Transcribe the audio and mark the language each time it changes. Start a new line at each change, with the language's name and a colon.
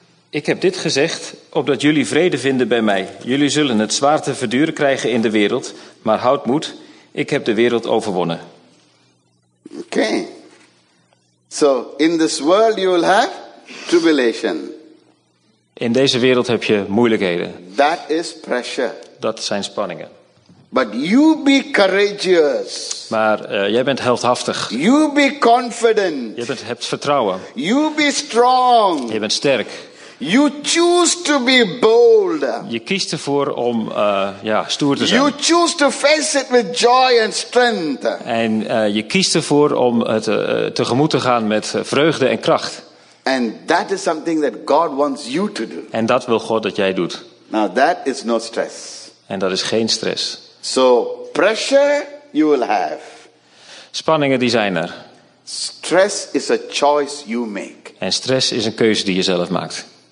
Dutch: Ik heb dit gezegd, opdat jullie vrede vinden bij mij. Jullie zullen het zwaar te verduren krijgen in de wereld, maar houd moed, ik heb de wereld overwonnen. Oké. Okay.
English: So, in this world you will have tribulation.
Dutch: In deze wereld heb je moeilijkheden.
English: That is pressure.
Dutch: Dat zijn spanningen.
English: But you be courageous.
Dutch: Maar jij bent heldhaftig.
English: You be confident.
Dutch: Je hebt vertrouwen.
English: You be strong.
Dutch: Je bent sterk.
English: You choose to be bold.
Dutch: Je kiest ervoor om stoer te zijn.
English: You choose to face it with joy and strength.
Dutch: En je kiest ervoor om het tegemoet te gaan met vreugde en kracht.
English: And that is something that God wants you to do.
Dutch: En dat wil God dat jij doet.
English: Now that is no stress.
Dutch: En dat is geen stress.
English: So pressure you will have.
Dutch: Spanningen die zijn er.
English: Stress is a choice you make.
Dutch: En stress is een keuze die je zelf maakt.